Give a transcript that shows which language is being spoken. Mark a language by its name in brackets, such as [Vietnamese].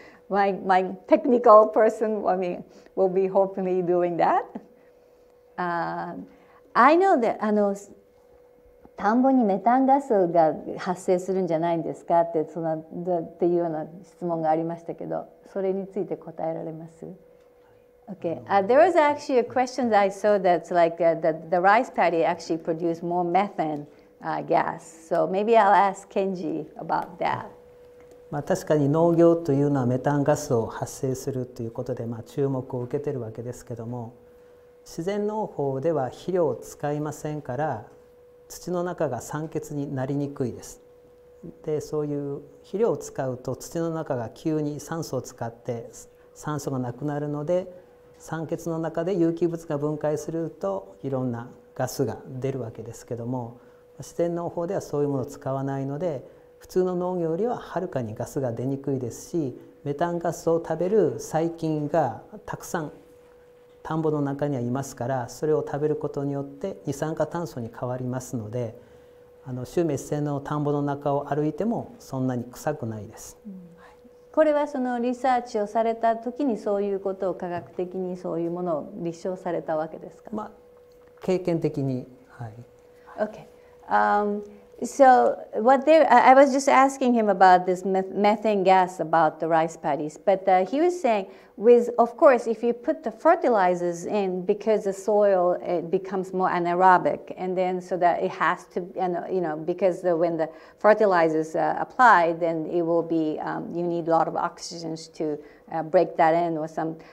[English] my technical person, I mean, will be hopefully doing that. [Japanese] I know that, あの、田んぼにメタンガスが発生するんじゃないんですかって、そのっていうような質問がありましたけど、それについて答えられます？ [English] Okay, there was actually a question that I saw that's like the rice paddy actually produced more methane gas. So maybe I'll ask Kenji about that. [Japanese] まあ確かに農業というのはメタンガスを発生するということで、まあ、注目を受けているわけですけども、自然農法では肥料を使いませんから、土の中が酸欠になりにくいです。で、そういう肥料を使うと土の中が急に酸素を使って酸素がなくなるので、酸欠の中で有機物が分解するといろんなガスが出るわけですけども、自然農法ではそういうものを使わないので、普通の農業よりははるかにガスが出にくいですし、メタンガスを食べる細菌がたくさん田んぼの中にはいますから、それを食べることによって二酸化炭素に変わりますので、あのシュウメイ自然の田んぼの中を歩いてもそんなに臭くないです。これはそのリサーチをされたときにそういうことを科学的にそういうものを立証されたわけですか？まあ、経験的に、はい。 [English] Okay. So what they, I was just asking him about this methane gas about the rice paddies, but he was saying with, of course, if you put the fertilizers in, because the soil, it becomes more anaerobic, and then so that it has to, you know, because the, when the fertilizers apply, then it will be, you need a lot of oxygen to break that in or some.